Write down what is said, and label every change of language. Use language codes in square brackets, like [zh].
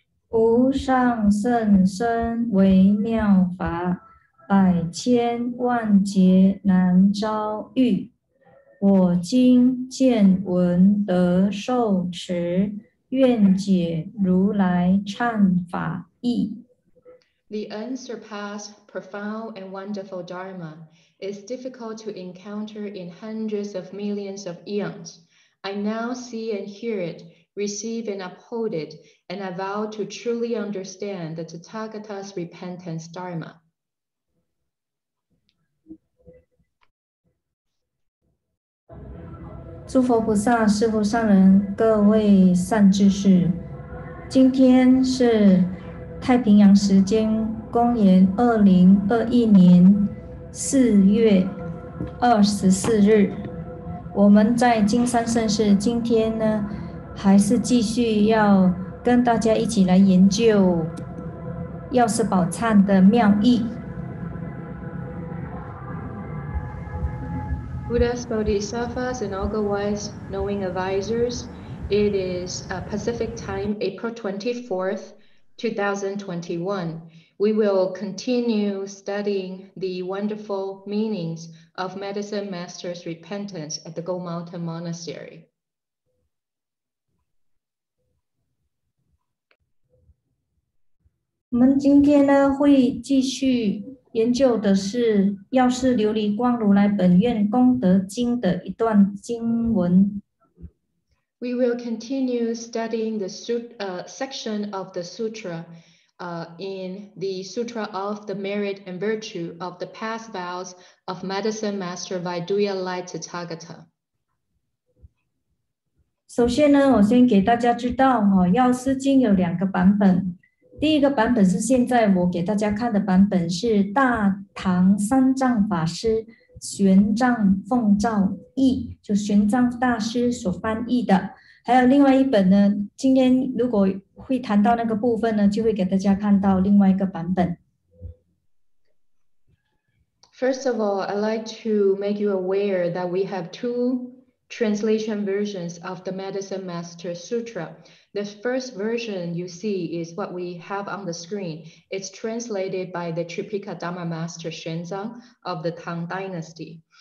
[zh] 无上甚深微妙法，百千万劫难遭遇。我今见闻得受持，愿解如来忏法意。 [en] The unsurpassed, profound, and wonderful Dharma is difficult to encounter in hundreds of millions of eons. I now see and hear it, receive and uphold it, and I vow to truly understand the Tathagata's repentance Dharma. [zh] 诸佛菩萨、师父上人、各位善知识，今天是太平洋时间公元2021年4月24日，我们在金山圣寺，今天呢还是继续要跟大家一起来研究药师宝忏的妙义。 [en] Buddhas, Bodhisattvas, and all the wise knowing advisors, it is Pacific time, April 24th, 2021. We will continue studying the wonderful meanings of Medicine Master's repentance at the Gold Mountain Monastery. [zh] 我们今天呢，会继续研究的是《药师琉璃光如来本愿功德经》的一段经文。 [en] We will continue studying the section of the sutra in the Sutra of the Merit and Virtue of the Past Vows of Medicine Master Vaiduyalai Tathagata. [zh] 首先呢，我先给大家知道哈，《药师经》有两个版本。第一个版本是现在我给大家看的版本，是大唐三藏法师玄奘奉诏译，就玄奘大师所翻译的。还有另外一本呢，今天如果会谈到那个部分呢，就会给大家看到另外一个版本。 [en] First of all, I'd like to make you aware that we have two translation versions of the Medicine Master Sutra. The first version you see is what we have on the screen. It's translated by the Tripitaka Dharma Master Xuanzang of the Tang Dynasty.